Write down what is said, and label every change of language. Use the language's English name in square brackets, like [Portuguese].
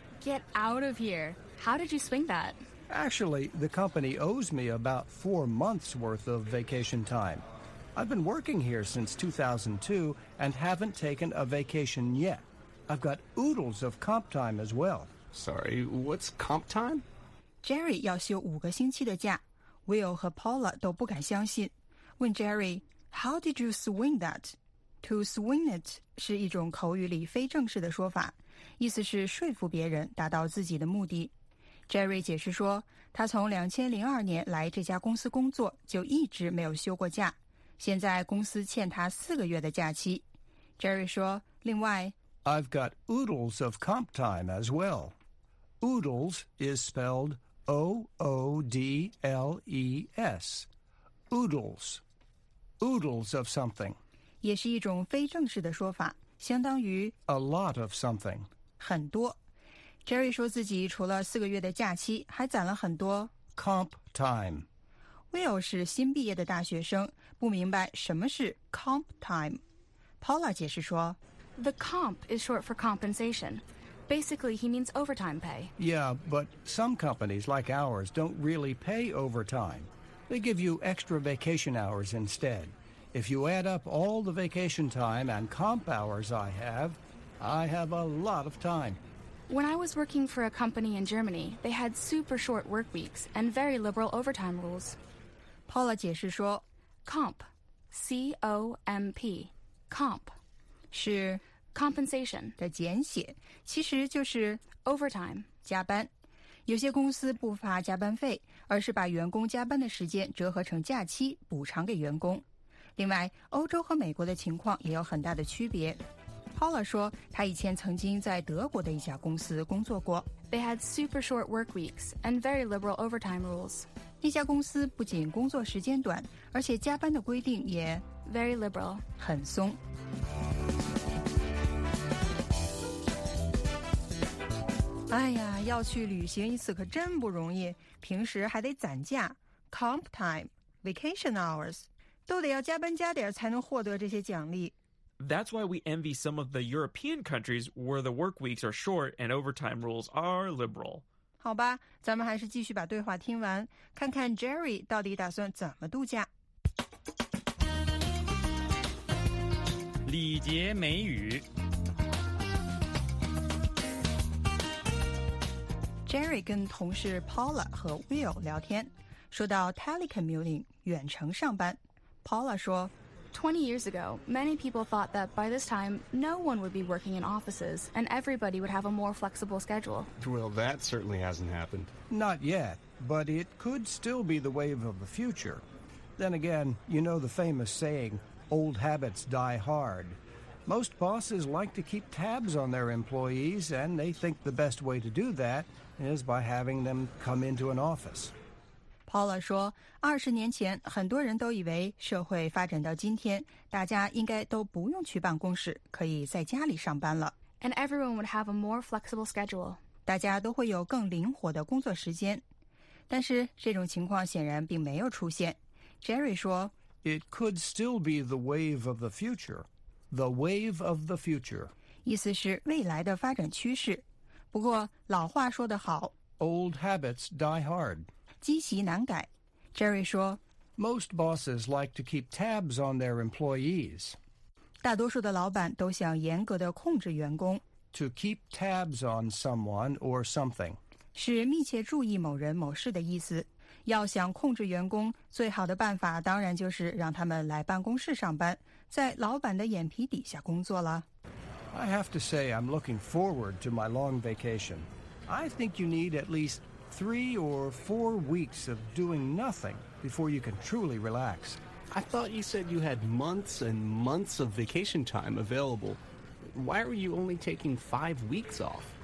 [English] Get out of here. How did you swing that? Actually, the company owes me about 4 months' worth of vacation time. I've been working here since 2002 and haven't taken a vacation yet. I've got oodles of comp time as well. Sorry, what's comp time? [Chinese] Jerry 要休五个星期的假。 Will 和 Paula 都不敢相信，问 Jerry, [English] How did you swing that? To swing it [Chinese] 是一种口语里非正式的说法，意思是说服别人达到自己的目的。 Jerry 解释说，他从2002年来这家公司工作就一直没有休过假，现在公司欠他四个月的假期。 Jerry 说，另外 [English] I've got oodles of comp time as well. Oodles is spelled O-O-D-L-E-S. Oodles. Oodles of something. [Chinese] 也是一种非正式的说法，相当于 [English] a lot of something， [Chinese] 很多。 Jerry 说自己除了四个月的假期还攒了很多 [English] comp time。 [Chinese] Will 是新毕业的大学生，不明白什么是 comp time。 Paula 解释说， [English] The comp is short for compensation. Basically he means overtime pay. Yeah, but some companies like ours don't really pay overtime. They give you extra vacation hours instead. If you add up all the vacation time and comp hours I have a lot of time. When I was working for a company in Germany, they had super short work weeks and very liberal overtime rules. [Chinese] Paula 解释说 [English] comp, C-O-M-P, comp, [Chinese] 是 [English] compensation [Chinese] 的简写，其实就是 [English] overtime, [Chinese] 加班。有些公司不发加班费，而是把员工加班的时间折合成假期补偿给员工。另外，欧洲和美国的情况也有很大的区别。 Paula 说，他以前曾经在德国的一家公司工作过。 [English] They had super short work weeks and very liberal overtime rules. [Chinese] 那家公司不仅工作时间短，而且加班的规定也 [English] very liberal， [Chinese] 很松。哎呀，要去旅行一次可真不容易，平时还得攒假 ，comp time， vacation hours。都得要加班加点才能获得这些奖励。 [English] That's why we envy some of the European countries where the work weeks are short and overtime rules are liberal. [Chinese] 好吧，咱们还是继续把对话听完，看看 Jerry 到底打算怎么度假。礼节美语。 Jerry 跟同事 Paula 和 Will 聊天，说到 telecommuting 远程上班。 Paula 说 [English] 20 years ago, many people thought that by this time, no one would be working in offices and everybody would have a more flexible schedule. Well, that certainly hasn't happened. Not yet, but it could still be the wave of the future. Then again, you know the famous saying, old habits die hard. Most bosses like to keep tabs on their employees and they think the best way to do that is by having them come into an office. [Chinese] Paula 说，二十年前很多人都以为社会发展到今天，大家应该都不用去办公室，可以在家里上班了。 [English] And everyone would have a more flexible schedule. [Chinese] 大家都会有更灵活的工作时间。但是这种情况显然并没有出现。 Jerry 说 [English] ，It could still be the wave of the future. The wave of the future. [Chinese] 意思是未来的发展趋势。不过老话说得好 [English] ，Old habits die hard. [Chinese] 积习难改 ，Jerry 说。 [English] Most bosses like to keep tabs on their employees. [Chinese] 大多数的老板都想严格的控制员工。 [English] To keep tabs on someone or something [Chinese] 是密切注意某人某事的意思。要想控制员工，最好的办法当然就是让他们来办公室上班，在老板的眼皮底下工作了。 [English] I have to say I'm looking forward to my long vacation. I think you need at least. Three or four weeks of doing nothing before you can truly relax. I thought you said you had months and months of vacation time available. Why were you only taking 5 weeks off?